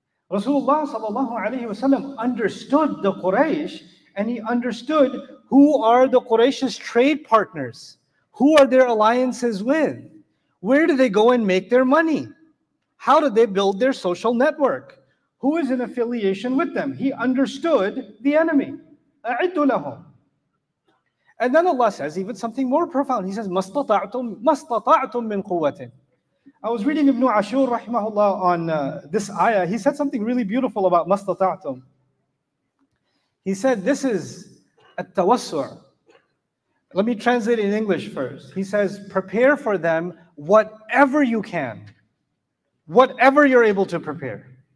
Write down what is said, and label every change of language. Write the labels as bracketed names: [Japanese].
[English] Rasulullah sallallahu alayhi wa sallam understood the Quraysh, and he understood who are the Quraysh's trade partners, who are their alliances with, where do they go and make their money, how do they build their social network, who is in affiliation with them. He understood the enemy. [Arabic] أَعِدُّ لَهُمْ. [English] And then Allah says even something more profound. He says, [Arabic] مَسْتَطَعْتُمْ مِنْ قُوَّةٍ. [English] I was reading Ibn Ashur rahimahullah on this ayah. He said something really beautiful about mastata'tum. He said, this is at-tawassu'. Let me translate it in English first. He says, prepare for them whatever you can, whatever you're able to prepare.